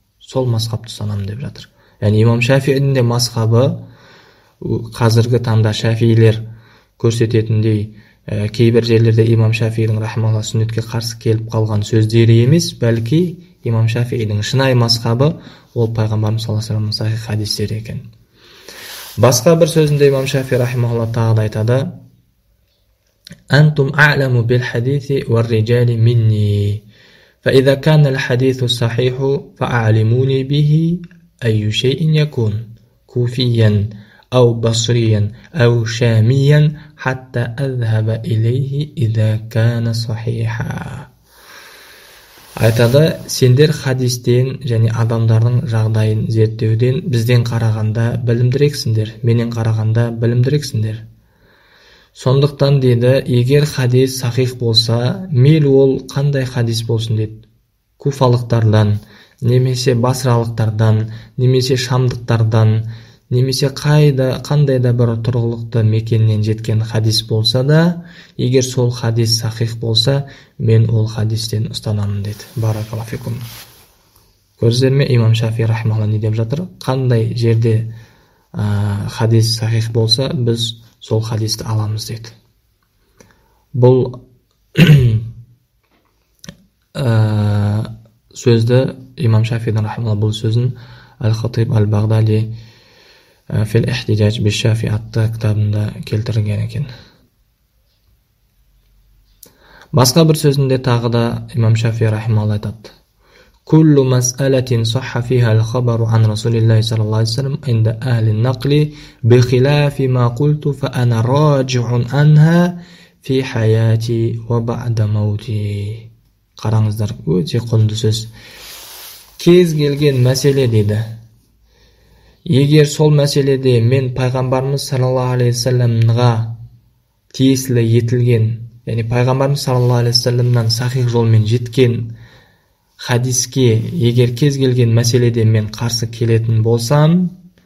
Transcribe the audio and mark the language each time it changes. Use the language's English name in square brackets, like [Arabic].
[Kazakh] Сол мазхабты санам деп жатыр. Яғни имам Шафиидің де мазхабы қазіргі таңда шафиилер көрсететіндей, кейбір жерлерде имам Шафиидің рахмаллаһ сүннетке қарсы келіп қалған сөздері емес, бәлки имам Шафиидің шынайы мазхабы ол пайғамбарымыз саллаллаһу алейхи вассалам сахи хадистері екен. Басқа бір сөзінде имам Шафи рахмаллаһ тағы да айтады: [Arabic] أنتم أعلم بالحديث والرجال مني فإذا كان الحديث صحيح فأعلموني به أي شيء يكون كوفيا أو بصريا أو شاميا حتى أذهب إليه إذا كان صحيحا [Kazakh] Айтады, сендер хадистен және адамдардың жағдайын зерттеуден бізден қарағанда білімдіректісіңдер, менен қарағанда білімдіректісіңдер. Сондықтан дейді, егер хадис сахих болса, мейл ол қандай хадис болсын дейді. Куфалықтардан, немесе басралықтардан, немесе шамдықтардан, немесе қайда, қандай да бір тұрғылықты мекеннен жеткен хадис болса да, егер сол хадис сахих болса, мен ол хадистен ұстанамын дейді. Баракалла фикум. Көрдіңіздер ме, имам Шафи рахмаллаһ не деп жатыр? Қандай жерде хадис сахих болса, біз сол хадисті аламыз дейді. Бұл сөзді имам Шафидің рахмалы бұл сөзін Әл-Хатиб Әл-Бағдали Фил-Ихтиджаж Биш-Шафи атты кітабында келтірген екен. Басқа бір сөзінде тағы да имам Шафи рахмалы айтады: [Arabic] كل مسألة صح فيها الخبر عن رسول الله صلى الله عليه وسلم عند أهل النقل بخلاف ما قلت فأنا راجع عنها في حياتي وبعد موتي. [Kazakh] قرانزدار өте құнды сөз. Кез келген мәселе дейді. Егер сол мәселеде мен пайғамбарымыз саллаллаһу алейхи вассаламға тиесілі етілген, яғни пайғамбарымыз саллаллаһу алейхи вассаламнан сахих жолмен жеткен хадиске егер кез келген мәселеде мен қарсы келетін болсам,